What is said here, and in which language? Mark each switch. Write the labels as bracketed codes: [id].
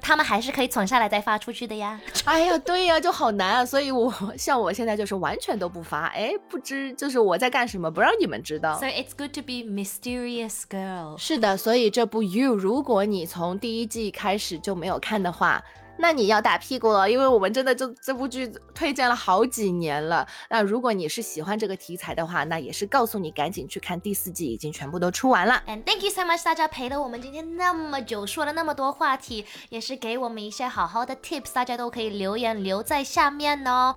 [zh] 他们还是可以存下来再发出去的呀。哎呀对呀，就好难啊。所以我像我现在就是完全都不发，哎，不知就是我在干什么不让你们知道。 [en] So it's good to be mysterious girl。 [zh] 是的，所以这部 You， 如果你从第一季开始就没有看的话，那你要打屁股了，因为我们真的就这部剧推荐了好几年了。那如果你是喜欢这个题材的话，那也是告诉你赶紧去看，第四季已经全部都出完了。 [en] And thank you so much [zh] 大家陪了我们今天那么久，说了那么多话题，也是给我们一些好好的 tips， 大家都可以留言留在下面哦。